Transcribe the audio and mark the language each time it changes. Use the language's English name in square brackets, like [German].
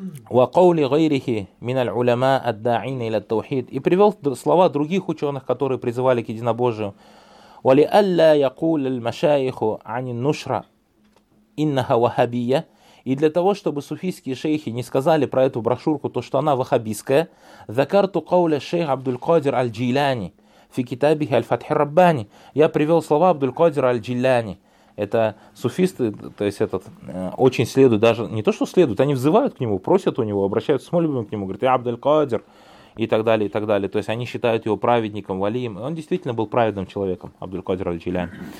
[Arabic] وقول غيره من العلماء الداعين إلى التوحيد [Russian] и привел слова других ученых, которые призывали к единобожию. [Arabic] ولئلا يقول المشايخ عن النشرة إنها وهابية [Russian] и для того, чтобы суфийские шейхи не сказали про эту брошюрку то, что она вахабистская. [Arabic] ذكرت قول الشيخ عبد القادر الجيلاني في كتابه الفتح الرباني. [Russian] Я привел слова Абдул-Кадира аль-Джилани. Это суфисты, то есть этот, очень следуют, даже не то, что следуют, они взывают к нему, просят у него, обращаются с молитвами к нему, говорят, я Абдул-Кадир, и так далее, и так далее. То есть они считают его праведником, валием. Он действительно был праведным человеком, Абдул-Кадир аль-Джилян.